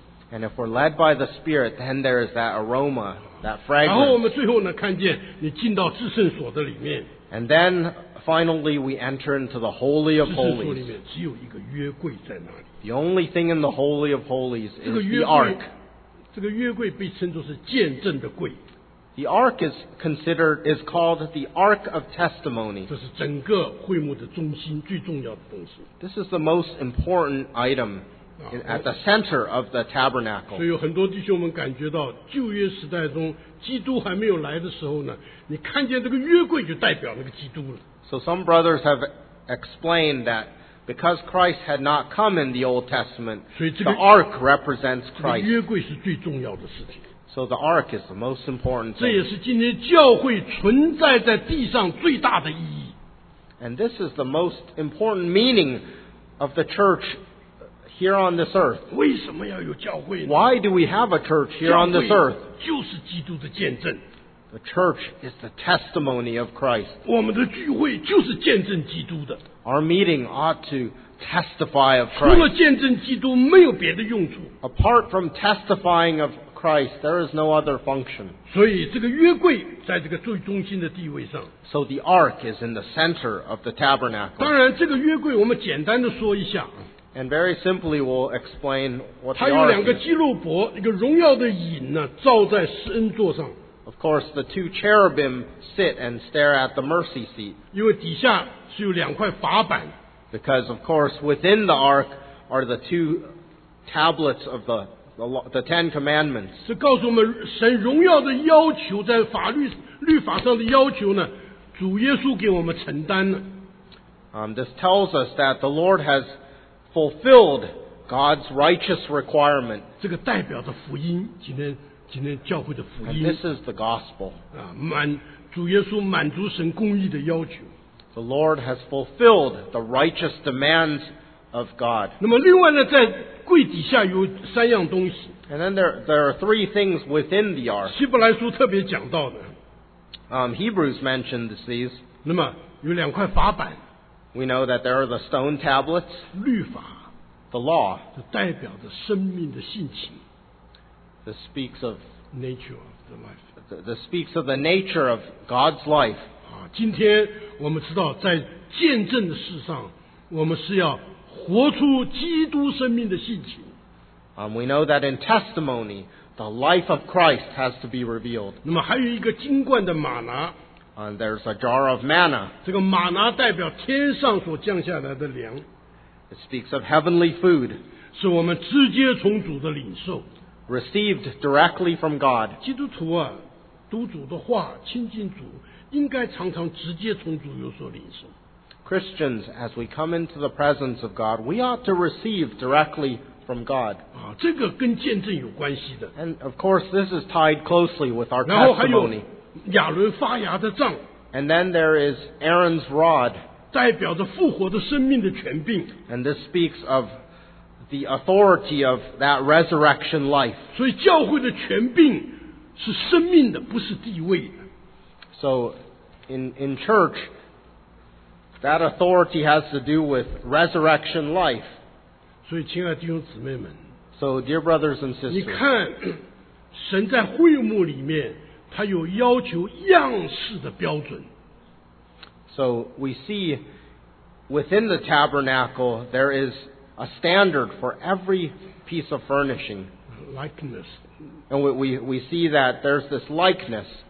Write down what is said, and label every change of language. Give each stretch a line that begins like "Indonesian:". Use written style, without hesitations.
English: And if we're led by the Spirit, then there is that aroma, that fragrance.
Chinese: 然后我们最后呢，看见你进到至圣所的里面。
English: And then finally we enter into the Holy of Holies.
Chinese: 至圣所里面只有一个约柜在那里。
English: The only thing in the Holy of Holies is the Ark.
Chinese: 这个约柜被称作是见证的柜。
English: The Ark is called the Ark of Testimony.
Chinese: 这是整个会幕的中心最重要的东西。
English: This is the most important item. At the center of the tabernacle.
Chinese: 所以有很多弟兄们感觉到旧约时代中基督还没有来的时候呢，你看见这个约柜就代表那个基督了。
English: So some brothers have explained that because Christ had not come in the Old Testament,
Chinese: 所以这个,
English: the ark represents Christ.
Chinese: 这个约柜是最重要的事情。
English: So the ark is the most important thing.
Chinese: 这也是今天教会存在在地上最大的意义。
English: And this is the most important meaning of the church here on this earth.
Chinese: 为什么要有教会呢?
English: Why do we have a church here on this earth?
Chinese: 就是基督的见证。
English: The church is the testimony of Christ.
Chinese: 我们的聚会就是见证基督的。
English: Our meeting ought to testify of Christ.
Chinese: 除了见证基督没有别的用处。
English: Apart from testifying of Christ, there is no other function.
Chinese: 所以这个约柜在这个最中心的地位上。
English: So the ark is in the center of the tabernacle.
Chinese: 当然这个约柜我们简单的说一下。
English: And very simply we'll explain what the ark is.
Chinese: 它有两个基路伯，一个荣耀的影呢，照在施恩座上。
English: Of course, the two cherubim sit and stare at the mercy seat.
Chinese: 因为底下是有两块法板。
English: Because, of course, within the ark are the two tablets of the Ten Commandments.
Chinese: 这告诉我们神荣耀的要求在法律律法上的要求呢，主耶稣给我们承担了。
English: This tells us that the Lord has fulfilled God's righteous requirement.
Chinese: 这个代表着福音，今天教会的福音。
English: And this is the gospel.
Chinese: 主耶稣满足神公义的要求。
English: The Lord has fulfilled the righteous demands of God.
Chinese: 那么另外呢，在柜底下有三样东西。
English: And then there are three things within the ark.
Chinese: 希伯来书特别讲到的。
English: Hebrews mentioned these.
Chinese: 那么有两块法板。
English: We know that there are the stone tablets.
Chinese: 律法。
English: The law.
Chinese: 这代表着生命的性情。
English: This speaks of nature of the life. This speaks of the nature of God's life.
Chinese: 今天我们知道在见证的事上我们是要活出基督生命的性情。
English: We know that in testimony, the life of Christ has to be revealed.
Chinese: 那么还有一个金冠的玛拿。
English: There's a jar of manna.
Chinese: 这个玛拿代表天上所降下来的粮。
English: It speaks of heavenly food.
Chinese: 是我们直接从主的领受。
English: Received directly from God.
Chinese: 基督徒啊，读主的话，亲近主，应该常常直接从主有所领受。
English: Christians, as we come into the presence of God, we ought to receive directly from God.
Chinese: 这个跟见证有关系的。
English: And of course, this is tied closely with our testimony.
Chinese: 然后还有亚伦发芽的杖。
English: And then there is Aaron's rod.
Chinese: 代表着复活的生命的权柄。
English: And this speaks of the authority of that resurrection life.
Chinese: 所以教会的权柄是生命的，不是地位的。
English: So, in church, that authority has to do with resurrection life.
Chinese: 所以，亲爱的弟兄姊妹们，
English: So, dear brothers and sisters,
Chinese: 你看，神在会幕里面，他有要求样式的标准。
English: So, we see within the tabernacle, there is a standard for every piece of furnishing. Likeness. And we see that there's this likeness.